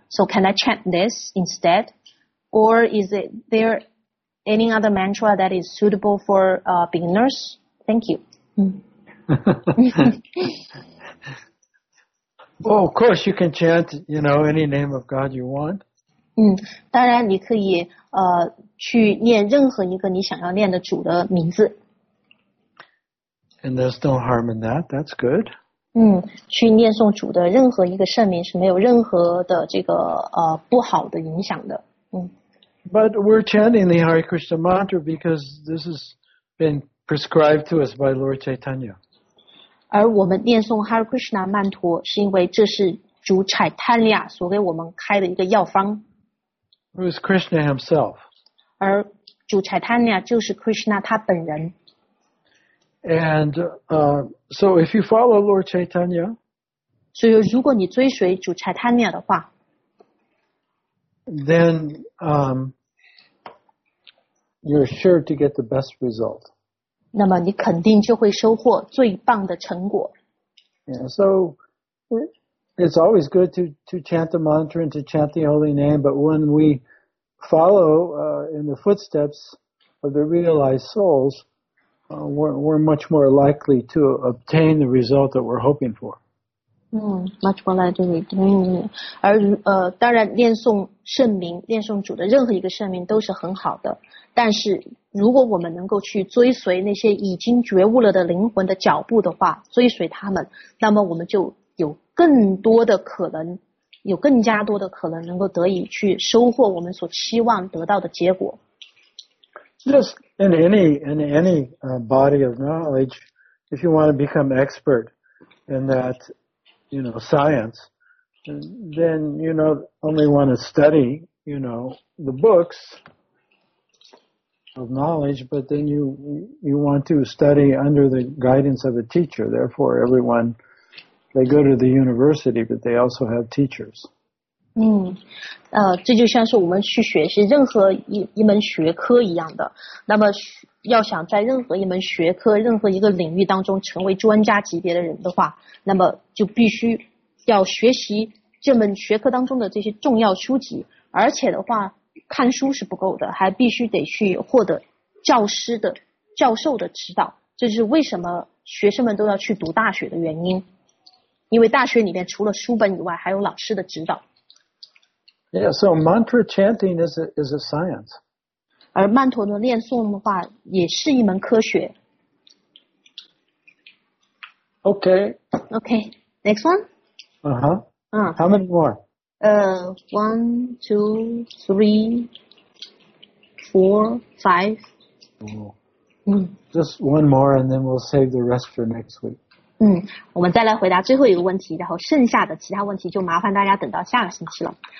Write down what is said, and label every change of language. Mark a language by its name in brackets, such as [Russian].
[English] So can I chant this instead? Or is it there... Any other mantra that is suitable for beginners? Thank you. Well, of course, you can chant, you know, any name of God you want. [Chinese] 当然你可以去念任何一个你想要念的主的名字。 [English] And there's no harm in that. That's good. [Chinese] 去念诵主的任何一个圣名是没有任何的这个不好的影响的。 [English] But we're chanting the Hare Krishna mantra because this has been prescribed to us by Lord Chaitanya. [Chinese] 而我们念诵 Hare Krishna 曼陀是因为这是主 Chaitanya 所给我们开的一个药方。 [English] Who is Krishna himself? [Chinese] 而主 Chaitanya 就是 Krishna 他本人。 [English] And so if you follow Lord Chaitanya, [Chinese] 所以如果你追随主 Chaitanya 的话。 [English] Then you're sure to get the best result. [Chinese] 那么你肯定就会收获最棒的成果。 [English] Yeah, so it's always good to chant the mantra and to chant the holy name, but when we follow in the footsteps of the realized souls, we're much more likely to obtain the result that we're hoping for. Much more likely. [Chinese] 而当然念诵圣名念诵主的任何一个圣名都是很好的，但是如果我们能够去追随那些已经觉悟了的灵魂的脚步的话，追随他们，那么我们就有更多的可能，有更加多的可能能够得以去收获我们所期望得到的结果。 [English] Just in any body of knowledge, if you want to become expert in thatyou know, science, then you know, only want to study you know, the books of knowledge, but then you want to study under the guidance of a teacher. Therefore, everyone, they go to the university, but they also have teachers. [Chinese] 这就像是我们去学习任何一门学科一样的。那么要想在任何一门学科、任何一个领域当中成为专家级别的人的话，那么就必须要学习这门学科当中的这些重要书籍，而且的话看书是不够的，还必须得去获得教师的、教授的指导。这是为什么学生们都要去读大学的原因，因为大学里面除了书本以外还有老师的指导。 [English] Yeah, so mantra chanting is a science. [Chinese] 而曼陀的念诵的话也是一门科学。 [English] Okay. Okay, next one? How many more? 1, 2, 3, 4, 5. Just one more and then we'll save the rest for next week. [Chinese] 我们再来回答最后一个问题，然后剩下的其他问题就麻烦大家等到下个星期了。